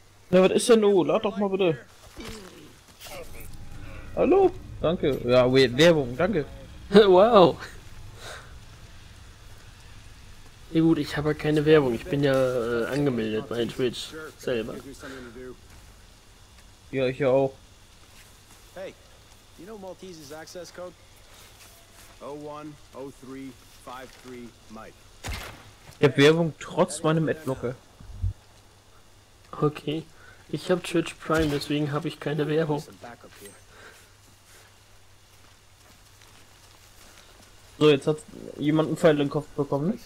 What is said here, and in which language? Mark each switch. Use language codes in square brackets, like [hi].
[de] Na, was ist denn? Oh, lad doch mal bitte. Hallo? Danke. Ja, Werbung, danke. Wow. Ja gut, ich habe ja keine Werbung. Ich bin ja angemeldet bei Twitch selber. Ja, ich ja auch. [en] Hey, you know Maltese's access code? 010353 Mike. [de] Ich hab Werbung trotz meinem Adblocker. Okay, ich hab Twitch Prime, deswegen habe ich keine Werbung. So, jetzt hat jemand einen Pfeil in den Kopf bekommen.